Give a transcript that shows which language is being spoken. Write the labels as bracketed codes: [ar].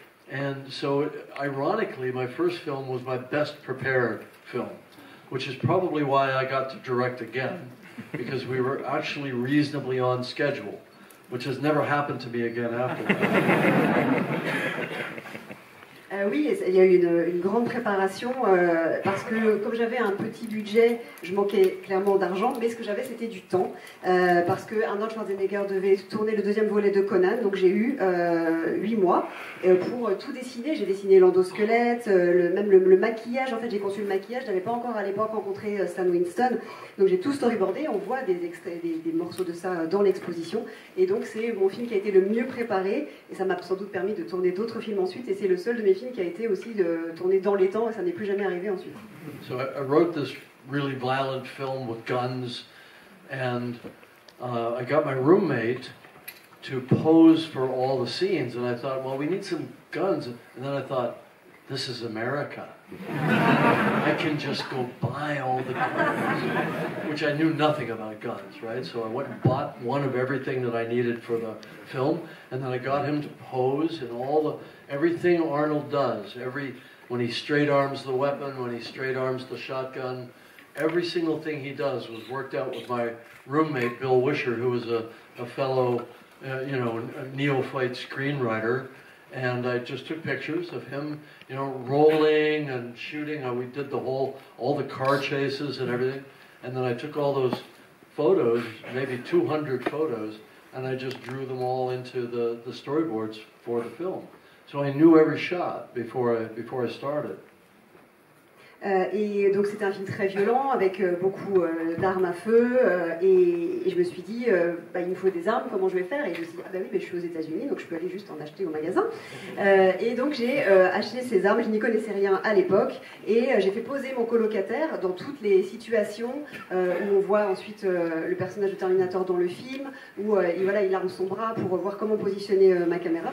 [en] And so, ironically, my first film was my best prepared film, which is probably why I got to direct again, because we were actually reasonably on schedule, which has never happened to me again after that. [fr] Oui, il y a eu une grande préparation parce que comme j'avais un petit budget, je manquais clairement d'argent, mais ce que j'avais c'était du temps parce que Arnold Schwarzenegger devait tourner le deuxième volet de Conan, donc j'ai eu 8 mois pour tout dessiner. J'ai dessiné l'endosquelette, même le maquillage, en fait j'ai conçu le maquillage, je n'avais pas encore à l'époque rencontré Stan Winston, donc j'ai tout storyboardé, on voit des morceaux de ça dans l'exposition, et donc c'est mon film qui a été le mieux préparé, et ça m'a sans doute permis de tourner d'autres films ensuite, et c'est le seul de mes films qui a été aussi tourné dans les temps, et ça n'est plus jamais arrivé ensuite. [en] So I wrote this really violent film with guns, and I got my roommate to pose for all the scenes, and I thought, well, we need some guns, and then I thought, this is America. I can just go buy all the guns, which I knew nothing about guns, right? So I went and bought one of everything that I needed for the film, and then I got him to pose and all the everything Arnold does, when he straight arms the weapon, when he straight arms the shotgun, every single thing he does was worked out with my roommate Bill Wisher, who was a fellow, a neophyte screenwriter. And I just took pictures of him, rolling and shooting. We did all the car chases and everything. And then I took all those photos, maybe 200 photos, and I just drew them all into the storyboards for the film. So I knew every shot before I started. [fr] Et donc c'était un film très violent avec beaucoup d'armes à feu et je me suis dit il me faut des armes, comment je vais faire? Et je me suis dit, mais je suis aux États-Unis donc je peux aller juste en acheter au magasin. Et donc j'ai acheté ces armes, je n'y connaissais rien à l'époque et j'ai fait poser mon colocataire dans toutes les situations où on voit ensuite le personnage de Terminator dans le film où il arme son bras pour voir comment positionner ma caméra.